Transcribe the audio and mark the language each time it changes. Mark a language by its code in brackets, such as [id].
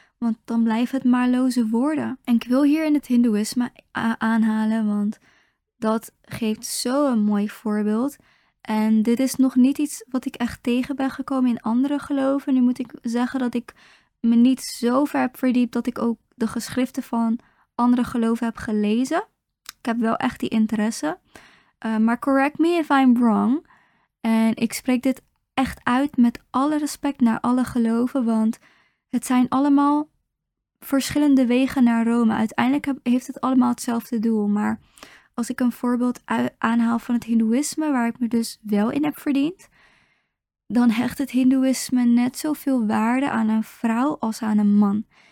[nl] Want dan blijft het maar loze woorden. En ik wil hier in het hindoeïsme aanhalen, want dat geeft zo'n mooi voorbeeld. En dit is nog niet iets wat ik echt tegen ben gekomen in andere geloven. Nu moet ik zeggen dat ik me niet zo ver heb verdiept dat ik ook de geschriften van andere geloven heb gelezen. Ik heb wel echt die interesse. Maar [en] correct me if I'm wrong. [nl] En ik spreek dit echt uit met alle respect naar alle geloven, want het zijn allemaal verschillende wegen naar Rome. Uiteindelijk heeft het allemaal hetzelfde doel. Maar als ik een voorbeeld aanhaal van het hindoeïsme, waar ik me dus wel in heb verdiend, dan hecht het hindoeïsme net zoveel waarde aan een vrouw als aan een man.